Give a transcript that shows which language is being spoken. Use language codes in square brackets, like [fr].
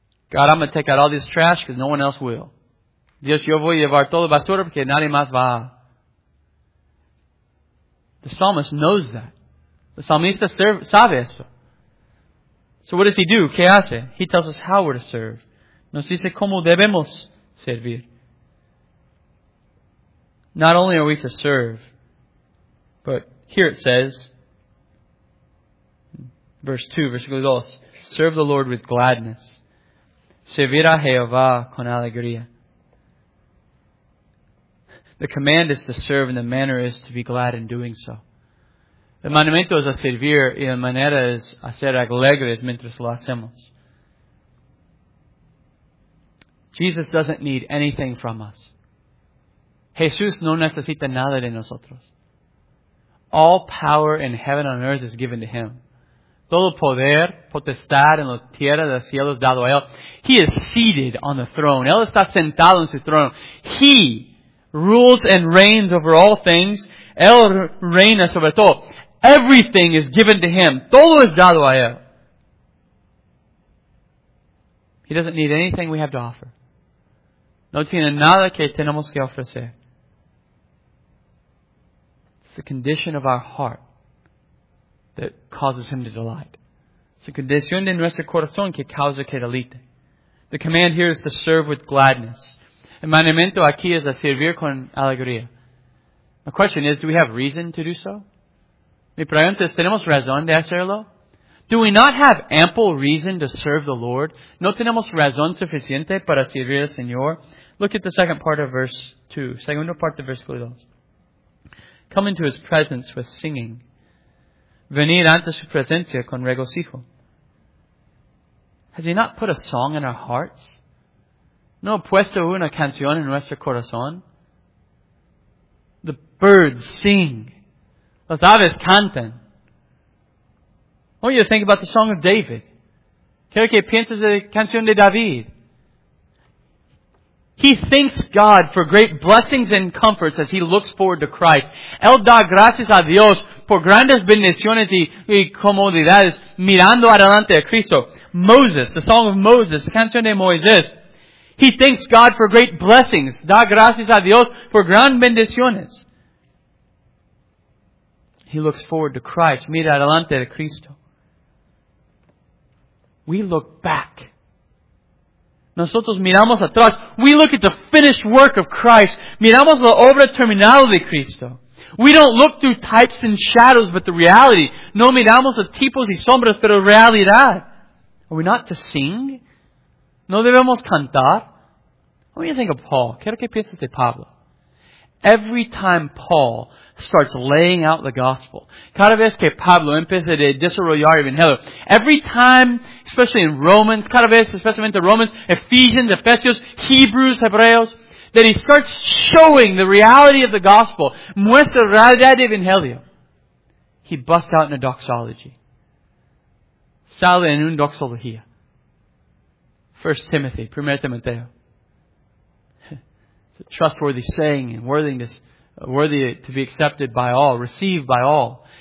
[en] God, I'm going to take out all this trash because no one else will. [es] Dios, yo voy a llevar toda basura porque nadie más va. [en] The psalmist knows that. The [es] psalmista sabe eso. [en] So what does he do? [es] ¿Qué hace? [en] He tells us how we're to serve. [es] Nos dice cómo debemos servir. [en] Not only are we to serve, but here it says, verse 2, [es] versículo 2, [en] serve the Lord with gladness. [es] Servir a Jehová con alegría. [en] The command is to serve and the manner is to be glad in doing so. [es] El mandamiento es a servir y la manera es a ser alegres mientras lo hacemos. [en] Jesus doesn't need anything from us. [es] Jesús no necesita nada de nosotros. [en] All power in heaven and earth is given to Him. [es] Todo poder, potestad en la tierra del cielo es dado a Él. [en] He is seated on the throne. [es] Él está sentado en su trono. [en] He rules and reigns over all things. [es] Él reina sobre todo. [en] Everything is given to Him. [es] Todo es dado a Él. [en] He doesn't need anything we have to offer. [es] No tiene nada que tenemos que ofrecer. [en] It's the condition of our heart that causes Him to delight. It's the condition [es] de nuestro corazón que causa que delite. [en] The command here is to serve with gladness. [es] El mandamiento aquí es a servir con alegría. [en] My question is, do we have reason to do so? [es] Mi pregunta es, ¿tenemos razón de hacerlo? [en] Do we not have ample reason to serve the Lord? [es] ¿No tenemos razón suficiente para servir al Señor? [en] Look at the second part of verse 2. [es] Segunda parte de versículo 2. [en] Come into His presence with singing. [es] Venir ante su presencia con regocijo. [en] Has He not put a song in our hearts? [es] ¿No ha puesto una canción en nuestro corazón? [en] The birds sing. [es] Las aves cantan. [en] I want you to think about the song of David. [es] Quiero que pienses en la canción de David. [en] He thanks God for great blessings and comforts as he looks forward to Christ. [es] Él da gracias a Dios por grandes bendiciones y comodidades mirando adelante a Cristo. [en] Moses, the song of Moses, [es] la canción de Moisés. [en] He thanks God for great blessings. [es] Da gracias a Dios por grandes bendiciones. [en] He looks forward to Christ. [es] Mira adelante de Cristo. [en] We look back. [es] Nosotros miramos atrás. [en] We look at the finished work of Christ. [es] Miramos la obra terminada de Cristo. [en] We don't look through types and shadows, but the reality. [es] No miramos a tipos y sombras, pero realidad. [en] Are we not to sing? [es] No debemos cantar? [en] What do you think of Paul? [es] Quiero que pienses de Pablo. [en] Every time Paul starts laying out the gospel. [es] Cada vez que Pablo empieza a desarrollar el evangelio. [en] Every time, especially in Romans, [es] cada vez, [en] especially in the Romans, Ephesians, Ephesians, Hebrews, Hebreos, that he starts showing the reality of the gospel. [es] Muestra la realidad del evangelio. [en] He busts out in a doxology. [es] Sale en un doxología. [en] 1 Timothy, 1 Timoteo. It's a trustworthy saying and worthy to be accepted by all, received by all.